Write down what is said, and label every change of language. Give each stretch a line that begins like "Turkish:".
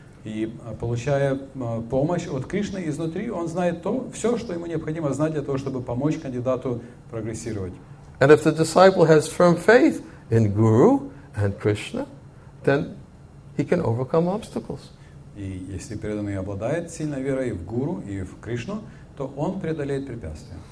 Russian: И получая помощь от Кришны изнутри, он знает то, все, что ему необходимо знать для того, чтобы помочь кандидату прогрессировать.
English: And if the disciple has firm faith in Guru and Krishna, then he can overcome obstacles.
Russian: И если преданный обладает сильной верой в Гуру и в Кришну, то он преодолеет препятствия.